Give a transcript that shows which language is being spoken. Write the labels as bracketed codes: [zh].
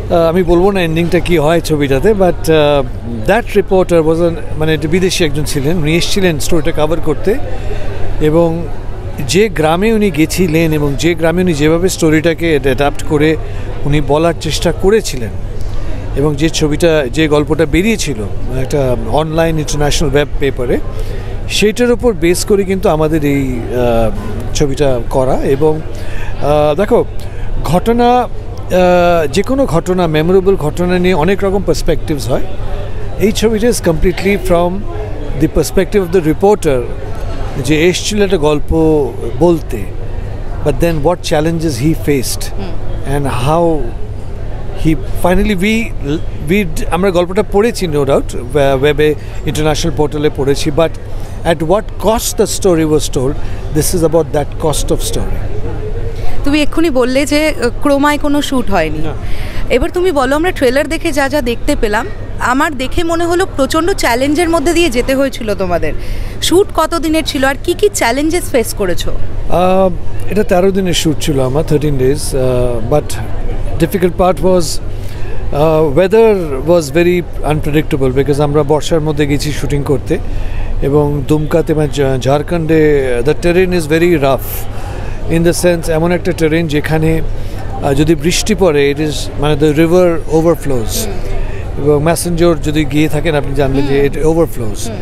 [bn] আমি বলবো না এন্ডিংটা কী হয় ছবিটাতে, [en] but that reporter was an [bn] মানে বিদেশি একজন ছিলেন, উনি এসেছিলেন স্টোরিটা কভার করতে, এবং যে গ্রামে উনি গেছিলেন এবং যে গ্রামে উনি যেভাবে স্টোরিটাকে অ্যাডাপ্ট করে উনি বলার চেষ্টা করেছিলেন, এবং যে ছবিটা, যে গল্পটা বেরিয়েছিল একটা অনলাইন ইন্টারন্যাশনাল ওয়েব পেপারে, সেইটার উপর বেস করে কিন্তু আমাদের এই ছবিটা করা। এবং দেখো, ঘটনা, যে কোনো ঘটনা, মেমোরেবল ঘটনা নিয়ে অনেক রকম পার্সপেক্টিভস হয়, এই ছবিটা [en] is completely from the perspective of the reporter, [bn] যে এসেছিল একটা গল্প বলতে, [en] But then what challenges he faced and how he finally we [bn] amra golpota porechi [en] no doubt [bn] webe international portal e porechi [en] but at what cost the story was told this is about that cost of story [bn] তুমি এক্ষুনি বললে যে ক্রোমায় কোনো shoot হয়নি এবার তুমি বলো আমরা ট্রেলার দেখে যা যা দেখতে পেলাম আমার দেখে মনে হলো প্রচণ্ড চ্যালেঞ্জের মধ্যে দিয়ে যেতে হয়েছিল তোমাদের শ্যুট কত দিনের ছিল আর কি কি চ্যালেঞ্জেস ফেস করেছো এটা 13 দিনের শ্যুট ছিল আমার 13 days [en] but difficult part was weather was very unpredictable because [bn] আমরা বর্ষার মধ্যে গেছি শ্যুটিং করতে এবং দুমকাতে ঝাড়খণ্ডে [en] the terrain is very rough in the sense [bn] এমন একটা টেরেন যেখানে যদি বৃষ্টি পড়ে ইট ইজ মানে [en] the river overflows [bn] এবং ম্যাসেঞ্জার যদি গিয়ে থাকেন আপনি জানবেন যে ইট ওভারফ্লোস